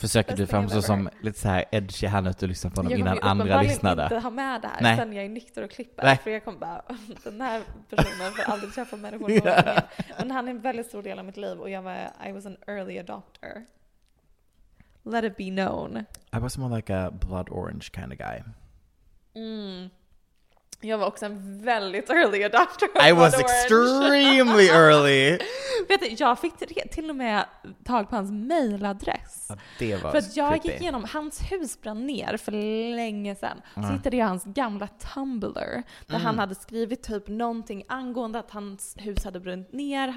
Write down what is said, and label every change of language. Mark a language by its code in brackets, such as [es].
[sv] Försöker du framstå som lite så här edgy här nu att du lyssnar på honom innan andra lyssnade? Jag kommer inte ha med det här. Nej. Sen jag är nykter och klippar. Nej. För jag kommer bara, den här personen får aldrig träffa människor. Yeah. Men han är en väldigt stor del av mitt liv och jag var, [en] I was an early adopter. Let it be known. I was more like a blood orange kind of guy. Mm. [sv] Jag var också en väldigt [en] early adopter. I was extremely early. [sv] Vet du, jag fick till och med tag på hans mailadress. Ja, det var för att jag gick igenom, hans hus brann ner för länge sedan. Så hittade jag hans gamla Tumblr. Där han hade skrivit typ någonting angående att hans hus hade brunnit ner.